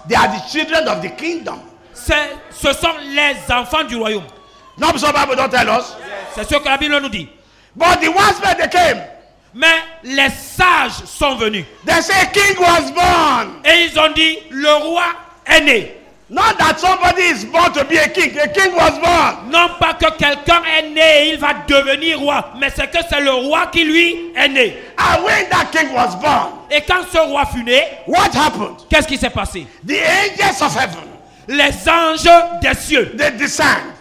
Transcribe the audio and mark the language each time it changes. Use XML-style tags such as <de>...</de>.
<en>They are the children of the kingdom.</en> <fr>Ce sont les enfants du royaume.</fr> <en>Not because the Bible don't tell us.</en> <fr>C'est ce que la Bible nous dit.</fr> <en>But the wise men they came.</en> <fr>Mais les sages sont venus.</fr> <en>They say king was born.</en> <fr>Et ils ont dit le roi est né.</fr> <en>Not that somebody is born to be a king. A king was born.</en> <fr>Non pas que quelqu'un est né et il va devenir roi, mais c'est que c'est le roi qui lui est né.</fr> <en>And when that king was born.</en> <fr>Et quand ce roi fut né,</fr> <en>what happened?</en> <fr>Qu'est-ce qui s'est passé?</fr> <en>The angels of heaven.</en> <fr>Les anges des cieux.</fr> <en>They descend.</en>